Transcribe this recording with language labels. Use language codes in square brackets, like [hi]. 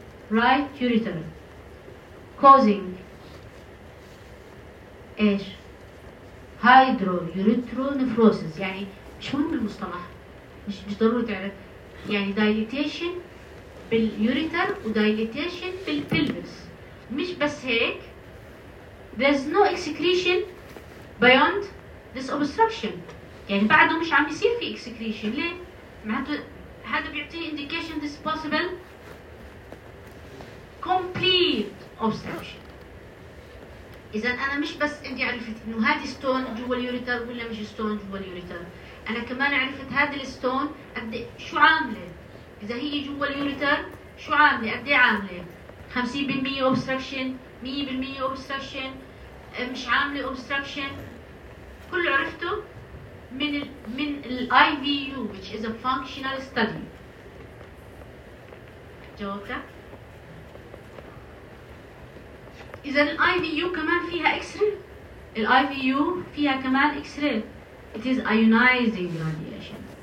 [en] Right ureter causing ايش؟ Hydroureteronephrosis. [ar] يعني مش مهم المصطلح، مش ضروري تعرف. يعني dilatation باليوريتر ودايليتيشن بالبلبس. مش بس هيك، [en] there's no excretion beyond this obstruction. [ar] يعني بعده مش عم يصير في excretion. ليه؟ معناته هذا بيعطيني [en] indication this possible complete obstruction. [ar] إذن أنا مش بس عندي عرفت إنه هذه ستون جوا اليوريتر ولا مش ستون جوا اليوريتر، أنا كمان عرفت هذه الستون قد شو عاملة. إذا هي جوا اليوريتر شو عاملة؟ قد إيه عاملة؟ 50% obstruction، 100% obstruction، مش عاملة obstruction. كل عرفته من الـ [en] IVU which is a functional study. [ar] جاوبتك؟ إذا الـ IVU كمان فيها X-ray؟ الـ IVU فيها كمان X-ray. [en] It is ionizing radiation.